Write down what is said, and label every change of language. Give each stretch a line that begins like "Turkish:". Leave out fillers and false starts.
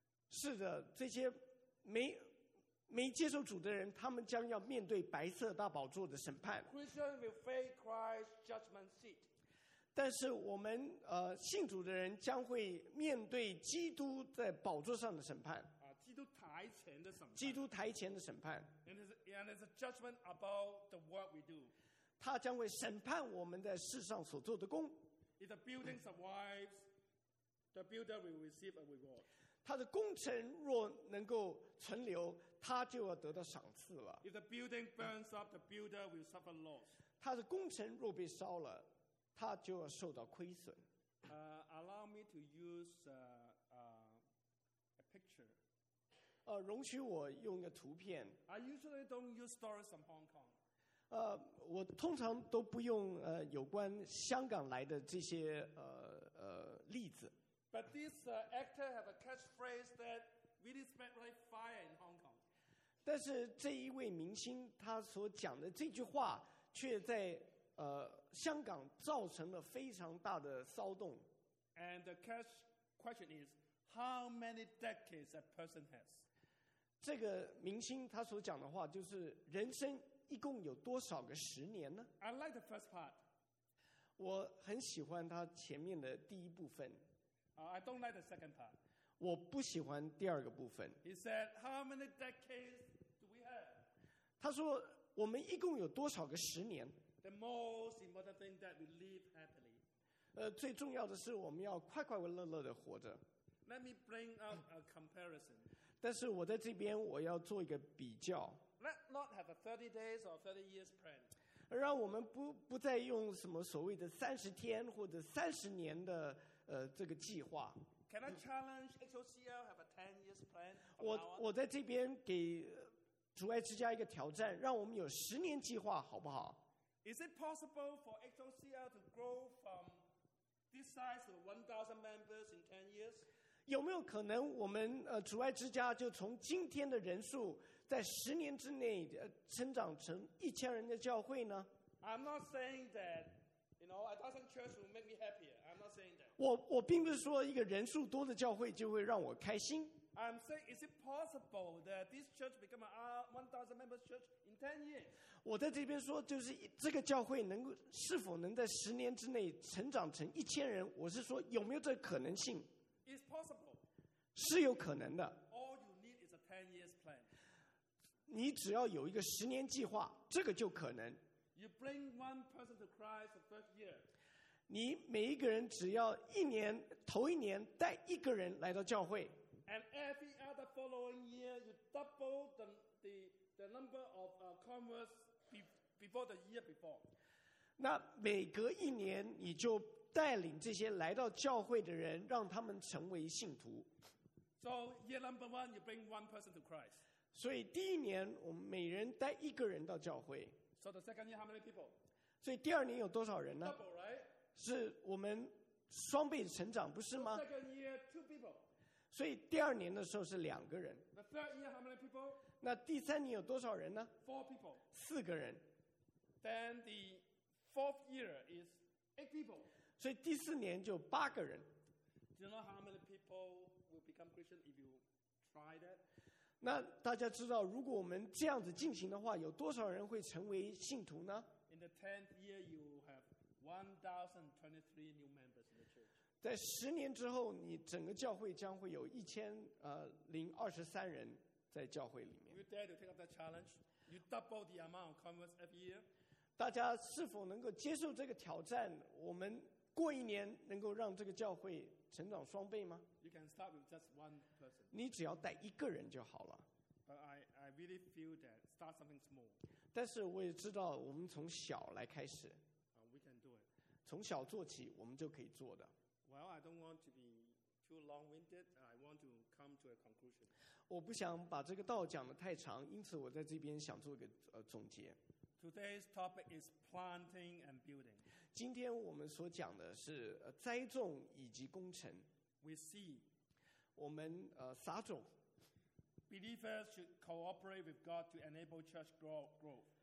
Chinese: 是的，这些没接受主的人，他们将要面对白色大宝座的审判。
English: Christians will face Christ's judgment seat.
Chinese: 但是我们信主的人将会面对基督在宝座上的审判，基督台前的审判，基督台前的审判。
English: And it's a judgment about the work we do.
Chinese: 他将会审判我们在世上所做的工。
English: If the building survives, the builder will receive a reward.
Chinese: 他的工程若能够存留，他就要得到赏赐了。
English: If the building burns up, the builder will suffer loss.
Chinese: 他的工程若被烧了。他就要受到亏损。
English: Allow me to use a picture.
Chinese: 容许我用一个图片。
English: I usually don't use stories from Hong Kong.
Chinese: 我通常都不用有关香港来的这些例子。
English: But this actor have a catchphrase that really spread like fire in Hong Kong.
Chinese: 但是这一位明星他所讲的这句话却在。香港造成了非常大的骚动。
English: And the cash question is, how many decades that person has?
Chinese: 这个明星他所讲的话就是人生一共有多少个十年呢？
English: I like the first part.
Chinese: 我很喜欢他前面的第一部分。
English: I don't like the second part.
Chinese: 我不喜欢第二个部分。
English: He said, how many decades do we have?
Chinese: 他说我们一共有多少个十年？
English: The most important thing that we live happily.
Chinese: 最重要的是我们要快快乐乐的活着。
English: Let me bring up a comparison.
Chinese: 但是我在这边我要做一个比较。
English: Let not have a 30 days or 30 years plan.
Chinese: 让我们不再用什么所谓的30天或者30年的这个计划。
English: Can I challenge HOCL have a 10 years plan?
Chinese: 我在这边给主爱之家一个挑战，让我们有十年计划好不好？
English: Is it possible for HOCL to grow from this size to 1,000 members in 10 years?
Chinese: 有没有可能我们主爱之家就从今天的人数在十年之内成长成1,000人的教会呢？
English: I'm not saying that, you know, 1,000 church will make me happier. I'm not saying that.
Chinese: 我并不是说一个人数多的教会就会让我开心。
English: I'm saying, is it possible that this church become a 1,000 members church in 10 years?
Chinese: 我在这边说，就是这个教会能够是否能在十年之内成长成1,000人？我是说，有没有这可能性
English: ？It's possible.
Chinese: 是有可能的。
English: All you need is a 10 years plan.
Chinese: 你只要有一个十年计划，这个就可能。
English: You bring one person to Christ the first year.
Chinese: 你每一个人只要一年头一年带一个人来到教会。
English: And every other following year, you double the the number of converts before the year before.
Chinese: 那每隔一年，你就带领这些来到教会的人，让他们成为信徒。
English: So year number one, you bring one person to Christ.
Chinese: 所以第一年，我们每人带一个人到教会。
English: So the second year, how many people?
Chinese: 所以第二年有多少人呢
English: ？Double, right?
Chinese: 是我们双倍成长，不是吗
English: ？The second year, two people.
Chinese: 所以第二年的时候是两个人。
English: The third year, how many people?
Chinese: 那第三年有多少人呢
English: ？Four people.
Chinese: 四个人。
English: Then the fourth year is eight people.
Chinese: 所以第四年就八个人。
English: Do you know how many people will become Christian if you try that?
Chinese: 那大家知道，如果我们这样子进行的话，有多少人会成为信徒呢
English: ？In the tenth year, you have 1,023 new members in the church.
Chinese: 在十年之后，你整个教会将会有1,023人在教会里面。
English: You dare to take up that challenge? You double the amount of converts every year.
Chinese: 大家是否能够接受这个挑战？我们过一年能够让这个教会成长双倍吗
English: ？You can start with just one person.
Chinese: 你只要带一个人就好了。
English: But I really feel that start something small.
Chinese: 但是我也知道，我们从小来开始。
English: We can do it.
Chinese: 从小做起，我们就可以做的。
English: Well, I don't want to be too long-winded. I want to come to a conclusion.
Chinese: 我不想把这个道讲得太长，因此我在这边想做个总结。
English: Today's topic is planting and building.
Chinese: 今天我们所讲的是栽种以及工程。
English: We see,
Chinese: 我们撒种。
English: Believers should cooperate with God to enable church growth.